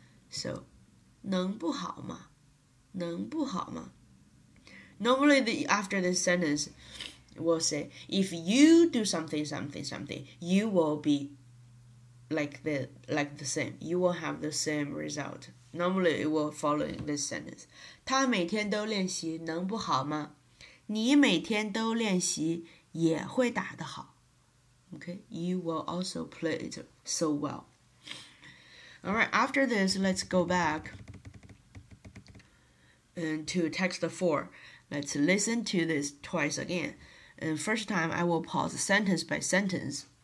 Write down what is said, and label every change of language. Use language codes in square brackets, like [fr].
[zh] So, 能不好吗？能不好吗？ [en] Normally, after this sentence, we'll say, if you do something, you will be like the same. You will have the same result. Normally, it will follow in this sentence. [zh] 他每天都练习能不好吗？你每天都练习也会打得好。 [en] Okay, you will also play it so well. Alright, after this, let's go back to text 4. Let's listen to this twice again. And first time, I will pause sentence by sentence.